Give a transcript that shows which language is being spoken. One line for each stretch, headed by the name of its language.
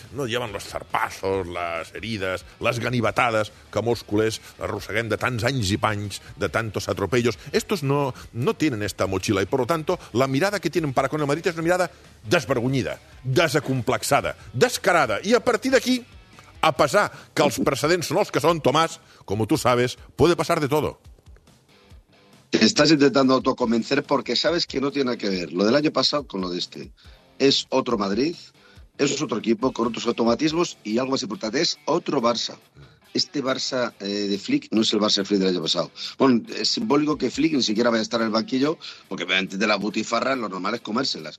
Spanish: No llevan los zarpazos,
Catalan: les herides, les ganivetades que molts culers arrosseguem de tants anys i panys,
Spanish: de tantos atropellos. Estos no tienen esta motxilla i, por lo tanto, la mirada que tienen para con el Madrid
Catalan: és una mirada desvergonyida, desacomplexada, descarada. I a partir d'aquí, a pesar que els precedents són els que són, Tomàs, com tu sabes,
Spanish: puede pasar de todo. Estás intentando autoconvencer porque sabes que no tiene nada que ver lo del año pasado con lo de este. Es otro Madrid, es otro equipo con otros automatismos y algo más importante, es otro Barça. este Barça de Flick no es el Barça de Flick del año pasado. Bueno, es simbólico que Flick ni siquiera vaya a estar en el banquillo, porque antes de la butifarra lo normal es comérselas.